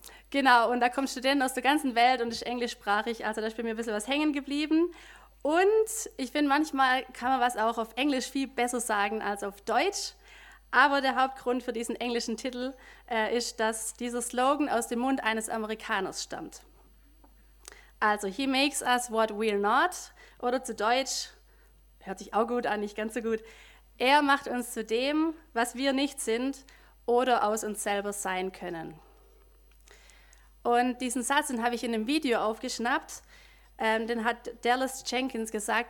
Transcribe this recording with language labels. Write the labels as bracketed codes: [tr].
[de] genau, und da kommen Studenten aus der ganzen Welt und ist englischsprachig. Also da ist bei mir ein bisschen was hängen geblieben. Und ich finde, manchmal kann man was auch auf Englisch viel besser sagen als auf Deutsch. Aber der Hauptgrund für diesen englischen Titel ist, dass dieser Slogan aus dem Mund eines Amerikaners stammt. [en] Also, he makes us what we're not. [de] Oder zu Deutsch, hört sich auch gut an, nicht ganz so gut. Er macht uns zu dem, was wir nicht sind oder aus uns selber sein können. Und diesen Satz, den habe ich in einem Video aufgeschnappt. Den hat Dallas Jenkins gesagt.